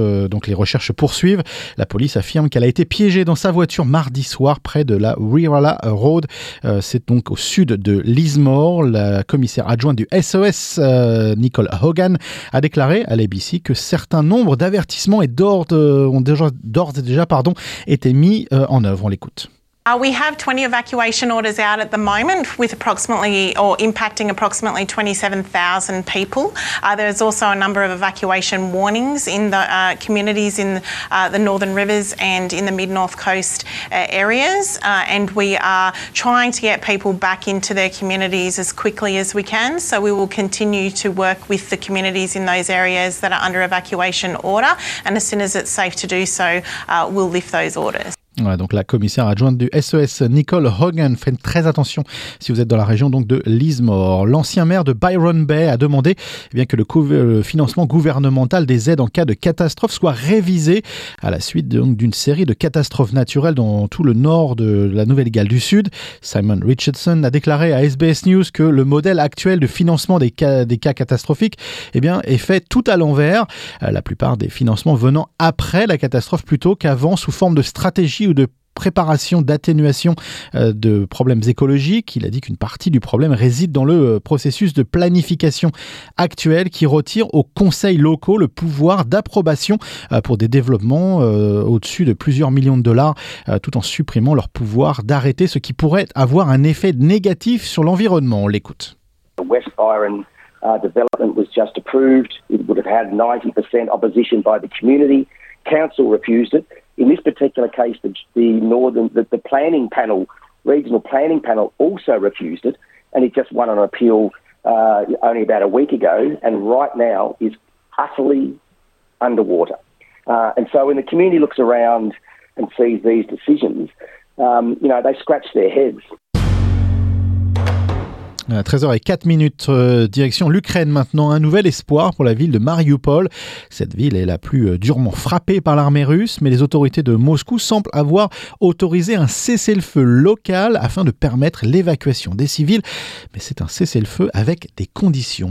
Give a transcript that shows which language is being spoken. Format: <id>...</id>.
<fr>Donc les recherches poursuivent. La police affirme qu'elle a été piégée dans sa voiture mardi soir près de la Wirrala Road. C'est donc au sud de Lismore. La commissaire adjointe du SOS, Nicole Hogan, a déclaré à l'ABC que certains nombres d'avertissements et d'ordres ont d'ores et déjà été mis en œuvre. On l'écoute.</fr> <en>We have 20 evacuation orders out at the moment with impacting approximately 27,000 people. There is also a number of evacuation warnings in the communities in the Northern Rivers and in the Mid-North Coast areas. And we are trying to get people back into their communities as quickly as we can. So we will continue to work with the communities in those areas that are under evacuation order. And as soon as it's safe to do so, we'll lift those orders.</en> <fr>Ouais, donc la commissaire adjointe du SOS, Nicole Hogan, fait très attention si vous êtes dans la région donc de Lismore. L'ancien maire de Byron Bay a demandé que le financement gouvernemental des aides en cas de catastrophe soit révisé à la suite donc d'une série de catastrophes naturelles dans tout le nord de la Nouvelle-Galles du Sud. Simon Richardson a déclaré à SBS News que le modèle actuel de financement des cas catastrophiques est fait tout à l'envers. La plupart des financements venant après la catastrophe plutôt qu'avant sous forme de stratégie ou de préparation d'atténuation de problèmes écologiques. Il a dit qu'une partie du problème réside dans le processus de planification actuel qui retire aux conseils locaux le pouvoir d'approbation pour des développements au-dessus de plusieurs millions de dollars, tout en supprimant leur pouvoir d'arrêter, ce qui pourrait avoir un effet négatif sur l'environnement. On l'écoute.</fr> <en>West Byron development was just approved. It would have had 90% opposition by the community. Council refused it. In this particular case, the planning panel, regional planning panel, also refused it, and it just won an appeal only about a week ago, and right now is utterly underwater. And so when the community looks around and sees these decisions, they scratch their heads.</en> <fr>13h04, direction l'Ukraine maintenant. Un nouvel espoir pour la ville de Mariupol. Cette ville est la plus durement frappée par l'armée russe, mais les autorités de Moscou semblent avoir autorisé un cessez-le-feu local afin de permettre l'évacuation des civils. Mais c'est un cessez-le-feu avec des conditions.</fr>